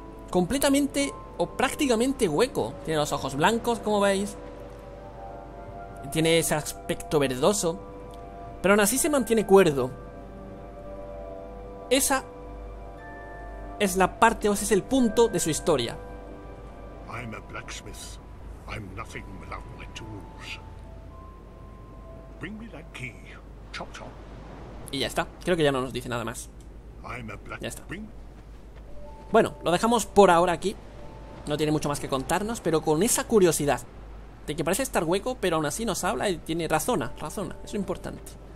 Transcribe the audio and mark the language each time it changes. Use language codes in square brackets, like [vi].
[es] Completamente o prácticamente hueco. Tiene los ojos blancos, como veis. Tiene ese aspecto verdoso. Pero aún así se mantiene cuerdo. Esa es la parte, o ese es el punto de su historia. [en] I'm a blacksmith. I'm nothing without my tools. Bring me that key. Chop, chop. [es] Y ya está. Creo que ya no nos dice nada más. Ya está. Bueno, lo dejamos por ahora aquí. No tiene mucho más que contarnos, pero con esa curiosidad de que parece estar hueco, pero aún así nos habla y tiene razona, eso es importante.